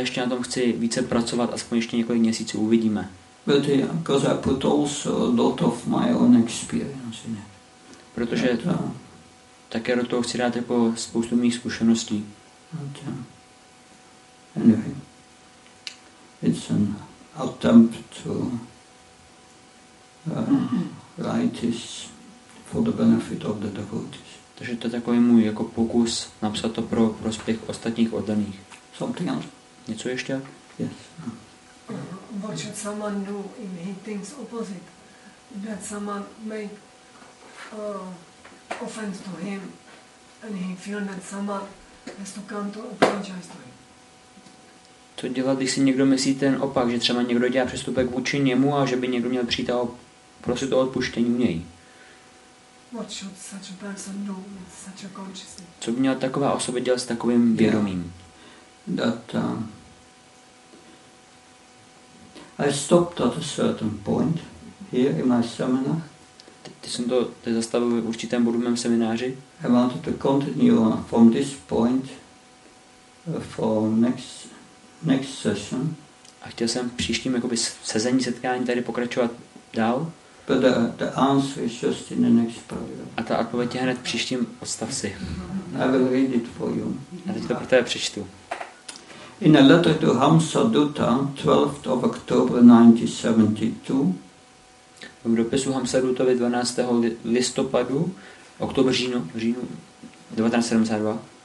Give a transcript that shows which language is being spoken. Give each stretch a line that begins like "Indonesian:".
Czech: ještě na tom chci více pracovat, aspoň ještě několik měsíců uvidíme.
English: But yeah, because I put also a lot of my own experience in it.
Czech: Protože to také do toho chci dát jako spoustu mých zkušeností.
English: But, anyway, it's an attempt to write this for the benefit of the devotees.
Czech: Takže to je takový můj jako pokus napsat to pro prospěch ostatních oddaných.
English: Something else?
Czech: Něco ještě?
English: Yes. What should someone do if he thinks opposite? That someone make offense to him and he feel that someone has to come to apologize to him.
Czech: To dělat, když si někdo myslí ten opak, že třeba někdo dělá přestupek vůči němu a že by někdo měl přijít a prosit o odpuštění u něj.
English: What should such a person do with such a consciousness?
Czech: Co by měla taková osoba dělat s takovým vědomím?
English: Yeah. I stopped at a certain point here in my seminar.
Czech: Ty jsem to zastavil v určitém bodu mém semináři.
English: I wanted to continue on from this point for next session.
Czech: A chtěl jsem příštím jakoby sezení setkání tady pokračovat dál.
English: But the answer is just in the next paragraph.
Czech: A ta odpověď je hned příštím odstavci.
English: I will read it for you.
Czech: A teď to pro tebe přečtu.
English: In a letter to Hamsa Dutta, 12th of October 1972.
Czech: V dopisu Hamsa Duttovi 12. listopadu, oktober, říjnu 1972.